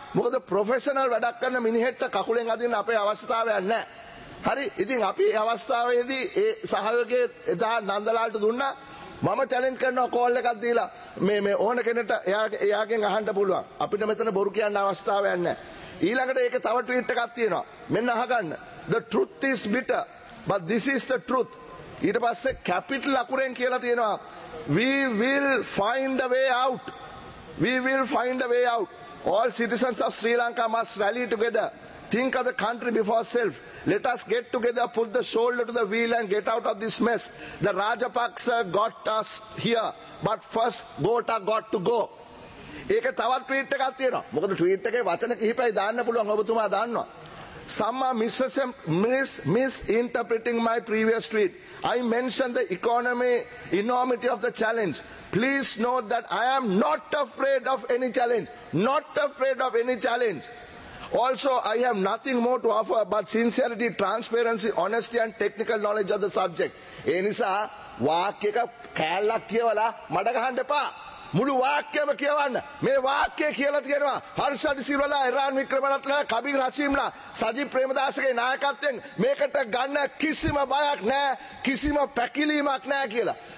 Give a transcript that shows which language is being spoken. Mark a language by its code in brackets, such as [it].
[si] මොකද ප්‍රොෆෙෂනල් වැඩක් කරන මිනිහෙක්ට කකුලෙන් අදින්න අපේ අවශ්‍යතාවයක් නැහැ. හරි, ඉතින් අපි ඒ අවස්ථාවේදී ඒ සහයෝගයේ එදා නන්දලාල්ට දුන්නා. මම චැලෙන්ජ් කරනවා කෝල් එකක් දීලා මේ ඕන කෙනෙක්ට එයාගෙන් අහන්න පුළුවන්. අපිට මෙතන බොරු කියන්න අවස්ථාවක් නැහැ. ඊළඟට ඒක තව ට්වීට් එකක් තියෙනවා. මෙන්න අහගන්න. [en] The truth is bitter, but this is the truth. [si] ඊට පස්සේ කැපිටල් අකුරෙන් කියලා තියෙනවා. [en] We will find a way out. We will find a way out. All citizens of Sri Lanka must rally together. Think of the country before self. Let us get together, put the shoulder to the wheel and get out of this mess. The Rajapaksa got us here. But first, Gota got to go. [si] ඒක තවත් tweet එකක් තියෙනවා. මොකද tweet එකේ වචන කිහිපයි දාන්න පුළුවන් ඔබතුමා දන්නවා. [en] Some are misinterpreting my previous tweet. I mentioned the economy, enormity of the challenge. Please note that I am not afraid of any challenge. Not afraid of any challenge. Also, I have nothing more to offer but sincerity, transparency, honesty and technical knowledge of the subject. [si] ඒ නිසා වාක්‍ය එක කෑල්ලක් කියවලා මඩ ගහන්න එපා. මුළු වාක්‍යම කියවන්න. මේ වාක්‍යය කියලා තියෙනවා හර්ෂද් සිරිවලා, එරාන් වික්‍රමරත්න, කබිර් රසීම්ලා, සජිත් ප්‍රේමදාසගේ නායකත්වයෙන් මේකට ගන්න කිසිම බයක් නැහැ, කිසිම පැකිලීමක් නැහැ කියලා.